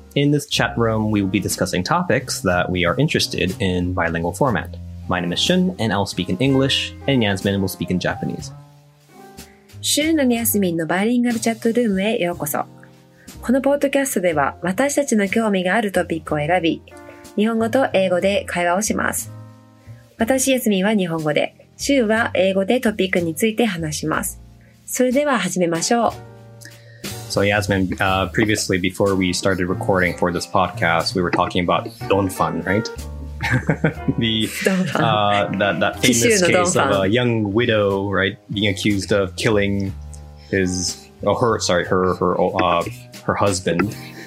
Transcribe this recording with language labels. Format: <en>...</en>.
<en>In this chat room, we will be discussing topics that we are interested in bilingual format. My name is Shin, and I will speak in English, and Yasmin will speak in Japanese.</en> <ja>Shin and Yasmin のバイリンガルチャットルームへようこそ。このポッドキャストでは私たちの興味があるトピックを選び、日本語と英語で会話をします。私、ヤスミンは日本語で、シューは英語でトピックについて話します。それでは始めましょう。</ja> <en>So Yasmin, previously before we started recording for this podcast, we were talking about Don Fan, right? The that famous case of a young widow, right, being accused of killing her husband.</en>